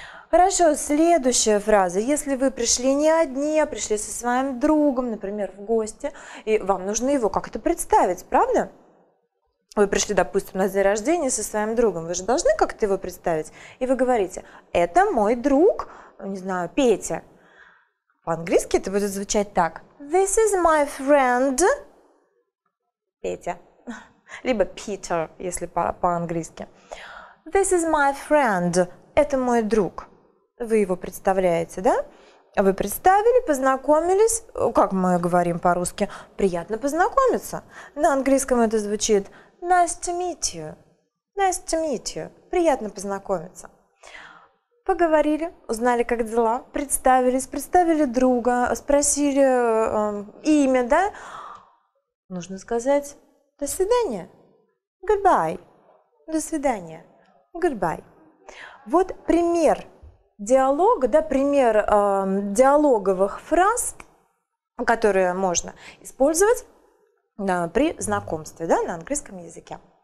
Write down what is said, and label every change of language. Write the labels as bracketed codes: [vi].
[ru] Хорошо, следующая фраза. Если вы пришли не одни, а пришли со своим другом, например, в гости, и вам нужно его как-то представить, правда? Вы пришли, допустим, на день рождения со своим другом, вы же должны как-то его представить. И вы говорите, это мой друг, не знаю, Петя. По-английски это будет звучать так. [en] This is my friend, Петя. [ru] Либо Peter, если по-английски. [en] This is my friend, [ru] это мой друг. Вы его представляете, да? Вы представили, познакомились, как мы говорим по-русски, приятно познакомиться. На английском это звучит [en] nice to meet you, nice to meet you, [ru] приятно познакомиться. Поговорили, узнали, как дела, представились, представили друга, спросили имя, да? Нужно сказать до свидания, goodbye, до свидания, goodbye. Вот пример. Диалог, да, пример диалоговых фраз, которые можно использовать при знакомстве, да, на английском языке.